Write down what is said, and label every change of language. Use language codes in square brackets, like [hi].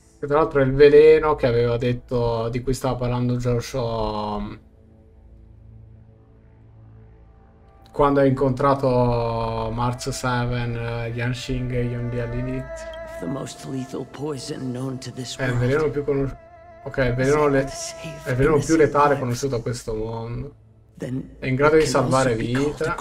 [it] E tra l'altro è il veleno che aveva detto, di cui stava parlando Jiao Zhou, quando ha incontrato March 7, Yan Xing e Yun Di all'inizio. [en] The most lethal poison known to this world. [it] È il veleno più il veleno più letale conosciuto a questo mondo. È in grado di salvare vite.